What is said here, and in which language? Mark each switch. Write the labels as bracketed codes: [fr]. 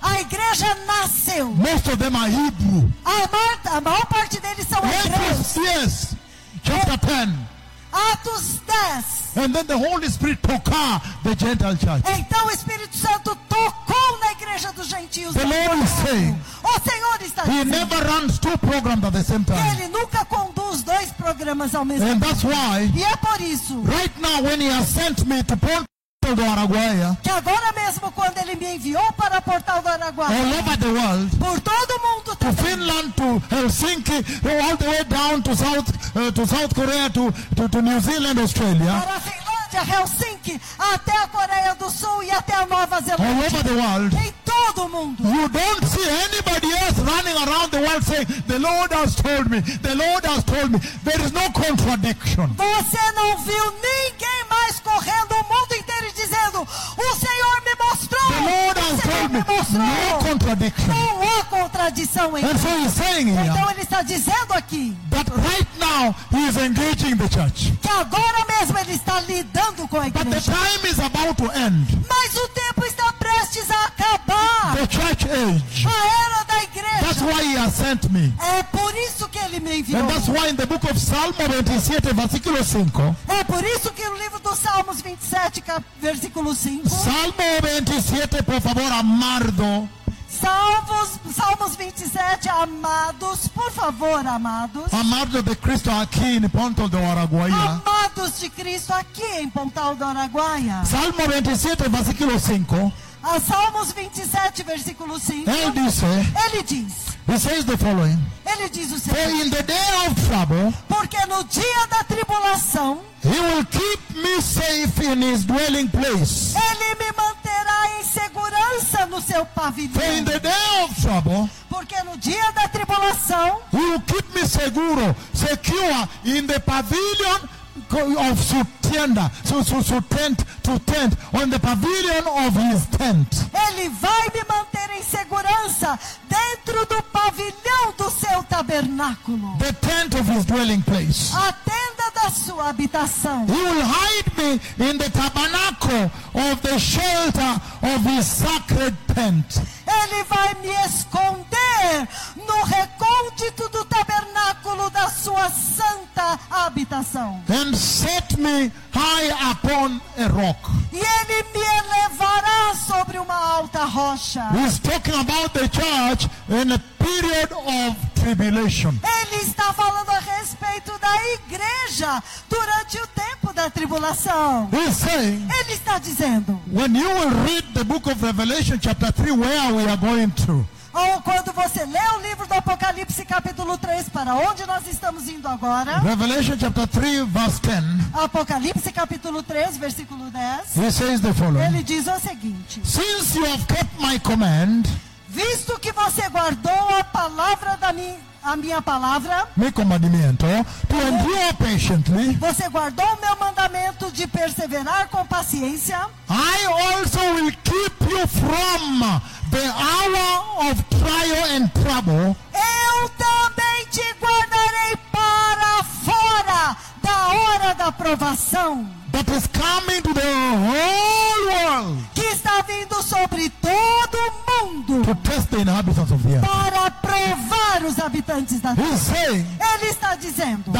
[pt] A igreja nasceu. [en] Most of them are Hebrew. [pt] A maior parte deles são hebreus. [en] Yes, chapter 10. [pt] Atos 10. [en] And then the Holy Spirit tocar the Gentile church. [pt] Então o Espírito Santo tocou na igreja dos gentios. [en] The Lord is saying, [pt] o Senhor está [en] dizendo, he never runs two programs at the same time. [pt] Ele nunca conduz dois programas ao mesmo [en] and [pt] tempo. [en] That's why, [pt] e é por isso. [en] Right now, when he has sent me to Pontal-Do-Araguia, [pt] que agora mesmo quando ele me enviou para Pontal-Do-Araguia, [en] all over the world, [pt] por todo o mundo, [en] to Finland, to Helsinki, all the way down to South Korea, to New Zealand, Australia, [pt] para a Finlândia, Helsinki, até a Coreia do Sul e até a Nova Zelândia, [en] all over the world, [pt] em todo o mundo. [en] You don't see anybody else running around the world saying, the Lord has told me, the Lord has told me. There is no contradiction. [pt] Você não viu ninguém mais correndo o mundo inteiro dizendo, o Senhor me mostrou. [en] The Lord has told me. [pt] Mostrou. [en] No contradiction. [pt] Não há contradição em [en] and so he's saying [pt] então [en] here. [pt] Então ele está dizendo aqui. [en] But right now he is engaging the church. [pt] Que agora mesmo ele está lidando com a igreja. [en] But the time is about to end. [pt] Mas o tempo está prestes a acabar. [en] The church age. [pt] A era da igreja. [en] That's why he has sent me. [pt] É por isso que ele me enviou. [en] And that's why in the book of Psalm 27, [pt] versículo 5. É por isso que no livro dos Salmos 27, versículo 5. Salmo 27, por favor, amado. Salmos 27, amados, por favor, amados. Amados de Cristo aqui em Pontal do Araguaia. Amados de Cristo aqui em Pontal do Araguaia. Salmo 27, versículo 5. A Salmos 27, versículo 5. Ele diz. Ele diz. [en] He says the following. [pt] Ele diz o seguinte. [en] For in the day of trouble, [pt] porque no dia da tribulação, [en] he will keep me safe in his dwelling place. [pt] Ele me manterá em segurança no seu pavilhão. [en] For in the day of trouble, [pt] porque no dia da tribulação, [en] he will keep me seguro, secure in the pavilion of tent, on the pavilion of his tent. [pt] Ele vai me manter em segurança dentro do pavilhão do seu tabernáculo. [en] The tent of his dwelling place. [pt] A tenda da sua habitação. [en] He will hide me in the tabernacle of the shelter of his sacred tent. [pt] Ele vai me esconder no recôndito do tabernáculo da sua santa habitação. [en] And set me high upon a rock. [pt] E ele me elevará sobre uma alta rocha. [en] He's talking about the church in a period of tribulation. [pt] Ele está falando a respeito da igreja durante o tempo da tribulação. [en] He's saying, [pt] ele está dizendo, [en] when you will read the book of Revelation chapter 3, where we are going to, [pt] ou quando você lê o livro do Apocalipse capítulo 3, para onde nós estamos indo agora? [en] Revelation chapter 3 verse 10. [pt] Apocalipse capítulo 3 versículo 10. [en] He says the following. [pt] Ele diz o seguinte. [en] Since you have kept my command, [pt] visto que você guardou a palavra da minha a minha palavra. Meu comandamento. [en] To endure patiently. [pt] Você guardou o meu mandamento de perseverar com paciência. [en] I also will keep you from the hour of trial and trouble. [pt] Eu também te guardarei para fora da hora da provação. [en] That is coming to the whole world. [pt] Que está vindo sobre todo mundo. [en] To test the inhabitants of the earth. [pt] Para provar os habitantes da terra. Ele está dizendo.